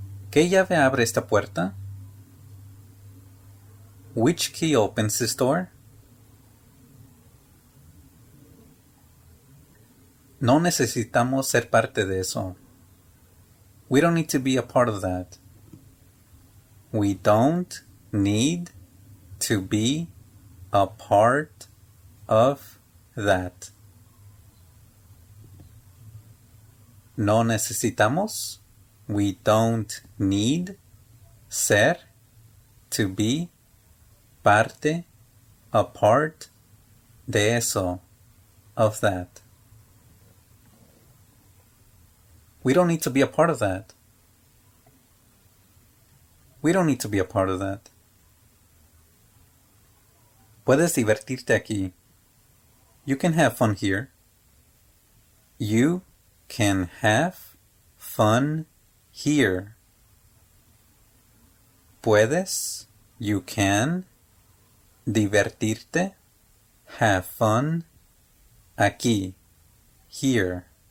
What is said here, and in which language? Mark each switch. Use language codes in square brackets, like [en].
[es] ¿Qué llave abre esta puerta? [en] Which key opens this door? [es] No necesitamos ser parte de eso. [en] We don't need to be a part of that. We don't need to be a part of that. [es] No necesitamos, [en] we don't need, [es] ser, [en] to be, [es] parte [en] A part [es] de eso, [en] of that. We don't need to be a part of that. We don't need to be a part of that. [es] Puedes divertirte aquí. [en] You can have fun here. You can have fun here. [es] Puedes, [en] you can [es] divertirte, [en] have fun [es] aquí, [en] here.